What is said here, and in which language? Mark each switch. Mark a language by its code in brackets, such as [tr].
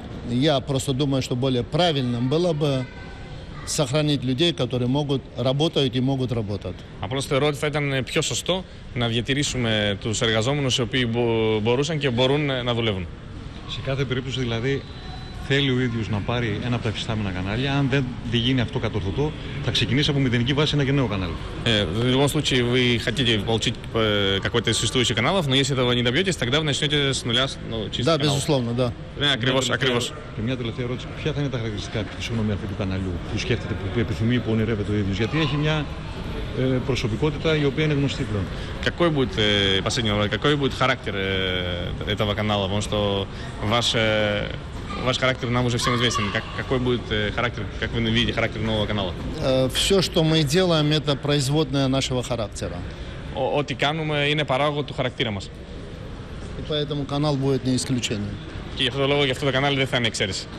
[ru] Я просто думаю, что более правильным было бы сохранить людей, которые могут работают и могут работать. [el] Απλώς θεωρώ ότι θα ήταν πιο σωστό να διατηρήσουμε τους εργαζόμενους οι οποίοι μπορούσαν και μπορούν να δουλεύουν. Σε κάθε περίπτωση δηλαδή θέλει ο ίδιος να πάρει ένα από τα υφιστάμενα κανάλια. Αν δεν γίνει αυτό κατορθωτό, θα ξεκινήσει από μηδενική βάση ένα καινέο κανάλι. [ru] В любом случае, вы хотите получить какой-то из существующих каналов, но если этого не добьетесь, тогда вы начнете с нуля, ну, чистый канал. Да, безусловно, да. [el] Ναι, ακριβώς, ακριβώς. Και μια τελευταία ερώτηση. Ποια θα είναι τα χαρακτηριστικά, συγγνώμη, αυτού του καναλιού που σκέφτεται, που επιθυμεί, που ονειρεύεται ο ίδιος? Γιατί έχει μια προσωπικότητα η οποία είναι γνωστή πλέον. [ru] Какой будет, последний, какой будет характер этого канала, потому что ваш характер нам уже всем известен. Какой будет характер, как вы видите характер нового канала? Все, что мы делаем, это производное нашего характера. [el] Ό,τι κάνουμε είναι παράγωγο του χαρακτήρα μας. [ru] И поэтому канал будет не исключением. [el] Και γι' αυτό το λόγο, γι' αυτό το κανάλι δεν θα είναι εξαίρεση.